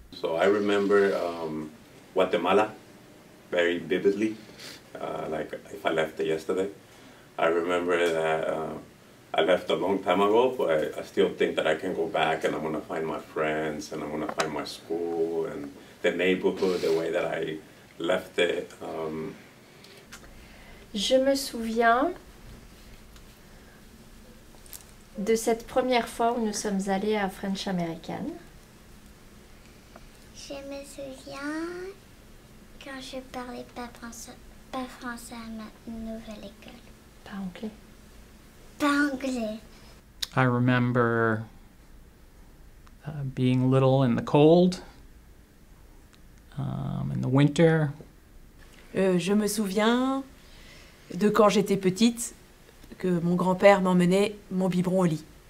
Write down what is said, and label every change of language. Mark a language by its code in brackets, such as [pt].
[en] So I remember Guatemala very vividly, like if I left it yesterday. I remember that I left a long time ago, but I still think that I can go back and I'm gonna find my friends and I'm gonna find my school and the neighborhood, the way that I left it. [fr] Je me souviens de cette première fois où nous sommes allés à French American. Je me souviens quand je parlais pas français à ma nouvelle école. Pas anglais. [en] I remember being little in the cold, in the winter. [fr] Je me souviens de quand j'étais petite, que mon grand-père m'emmenait mon biberon au lit.